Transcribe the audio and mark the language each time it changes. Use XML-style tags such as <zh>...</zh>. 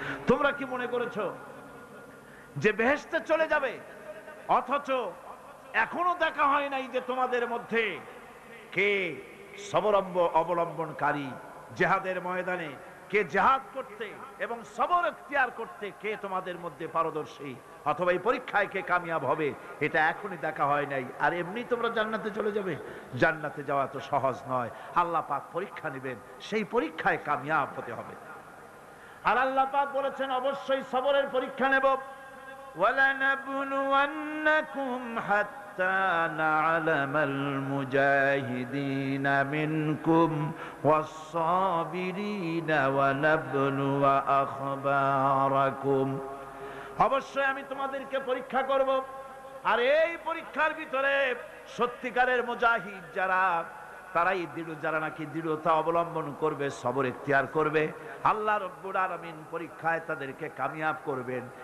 <bn>তোমরা কি মনে করেছো যে বেহেশতে চলে যাবে, অথচ এখনো দেখা হয় নাই যে তোমাদের মধ্যে কে সবর অবলম্বনকারী, জেহাদের ময়দানে কে জেহাদ করতে এবং সবর ইখতিয়ার করতে কে তোমাদের মধ্যে পারদর্শী, অথবা এই পরীক্ষায় কে কামিয়াব হবে, এটা এখনই দেখা হয় নাই। আর এমনি তোমরা জান্নাতে চলে যাবে? জান্নাতে যাওয়া তো সহজ নয়, আল্লাহ পাক পরীক্ষা নেবেন, সেই পরীক্ষায় কামিয়াব হতে হবে। আর আল্লাহ পাক বলেছেন অবশ্যই সবরের পরীক্ষা নেব।</bn> <ar>ওয়ালানাবুনুওয়ান্নাকুম হাত্তা نعلم المجاهدين منكم والصابرين ونبلو أخباركم।</ar> <bn>অবশ্যই আমি তোমাদেরকে পরীক্ষা করব, আর এই পরীক্ষার ভিতরে সত্যিকারের মুজাহিদ যারা, তারাই দৃঢ়, যারা নাকি দৃঢ়তা অবলম্বন করবে, সবর ইখতিয়ার করবে, আল্লাহ রাব্বুল আলামিন পরীক্ষায় তাদেরকে কামিয়াব করবেন।</bn>